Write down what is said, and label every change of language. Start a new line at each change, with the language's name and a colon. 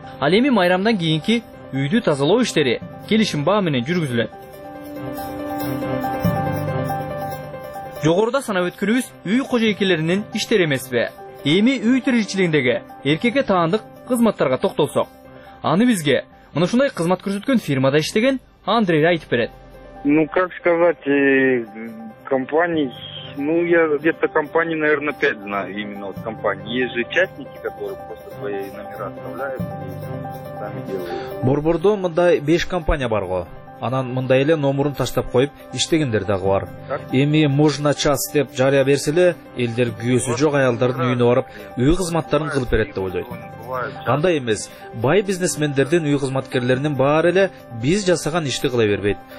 Kyrgyz: Ал эми майрамдан кийинки үйдү тазалоо иштери келишим баа менен жүргүзүлөт. Жогоруда санап өткөрүбүз үй кожоэкелеринин иштери эмеспи? Эми үй тиричилигиндеги эркекке таандык кызматтарга токтолсок, аны бизге мына ушундай кызмат көрсөткөн фирмада иштеген Андрей айтып берет.
Russian: Ну, как сказать, компаний, ну, я где-то компаний, наверное, 5 знаю, именно вот компаний. Есть же частники, которые просто твои номера оставляют и сами делают.
Kyrgyz: Борбордо мындай 5 компания барго. Анан мындай эле номерун таштап коюп иштегендер дагы бар. Эми можно час деп жарыя берселе, элдер күйөсү жок аялдардын үйүнө барып, үй кызматтарын кылып берет деп ойлойт. Кандай эмес, бай бизнесмендердин үй кызматкерлеринин баары эле биз жасаган ишти кыла бербейт.